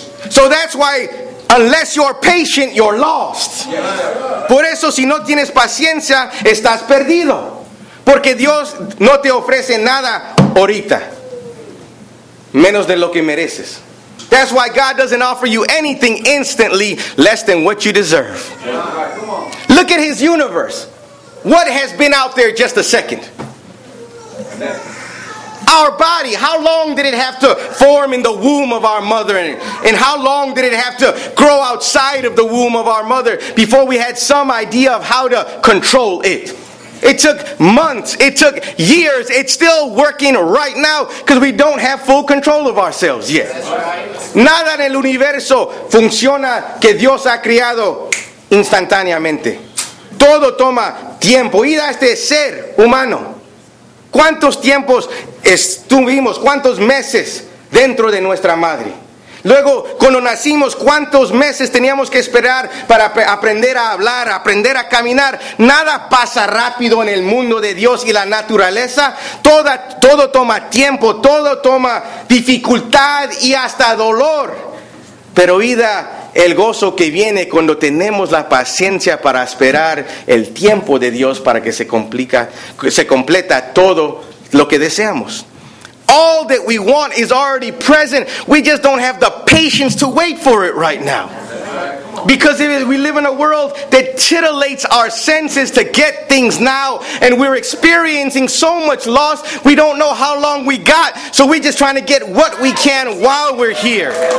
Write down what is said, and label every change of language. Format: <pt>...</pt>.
<en>So that's why, unless you're patient, you're lost. Yes, sir.</en> <es>Por eso, si no tienes paciencia, estás perdido. Porque Dios no te ofrece nada ahorita, menos de lo que mereces.</es> <en>That's why God doesn't offer you anything instantly, less than what you deserve. Yes, right. Look at his universe. What has been out there just a second? Our body, how long did it have to form in the womb of our mother? And how long did it have to grow outside of the womb of our mother before we had some idea of how to control it? It took months. It took years. It's still working right now because we don't have full control of ourselves yet.</en> <es>Nada en el universo funciona que Dios ha creado instantáneamente. Todo toma tiempo. Y da este ser humano. ¿Cuántos tiempos estuvimos? ¿Cuántos meses dentro de nuestra madre? Luego, cuando nacimos, ¿cuántos meses teníamos que esperar para aprender a hablar, aprender a caminar? Nada pasa rápido en el mundo de Dios y la naturaleza. Todo toma tiempo, todo toma dificultad y hasta dolor. Pero oída el gozo que viene cuando tenemos la paciencia para esperar el tiempo de Dios para que se completa todo lo que deseamos.</es> <en>All that we want is already present. We just don't have the patience to wait for it right now. Because we live in a world that titillates our senses to get things now, and we're experiencing so much loss, we don't know how long we got, so we're just trying to get what we can while we're here.</en>